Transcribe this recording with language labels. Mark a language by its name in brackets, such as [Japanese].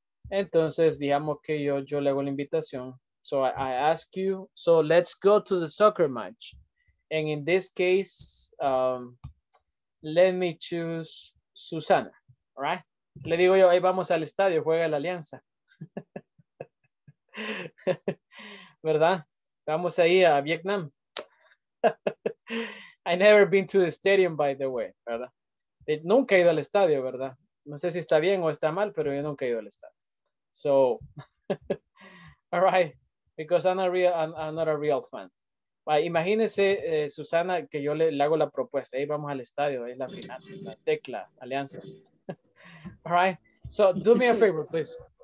[Spanish] Entonces, digamos que yo le hago la invitación. [English] So I ask you, so let's go to the soccer match. And in this case, let me choose Susana, right? [Spanish] Le digo yo, hey, vamos al estadio, juega la Alianza. ¿Verdad? Vamos ahí a Vietnam. [English] I never been to the stadium, by the way, ¿verdad? [Spanish] Nunca he ido al estadio, ¿verdad? No sé si está bien o está mal, pero yo nunca he ido al estadio. [English] So, all right, because I'm not a real fan. [Spanish] But imagínese, Susana, que yo le hago la propuesta. [English] Hey, [Spanish] vamos al estadio, es la final, [English] la Tecla, Alianza. All right, so do me a favor, please.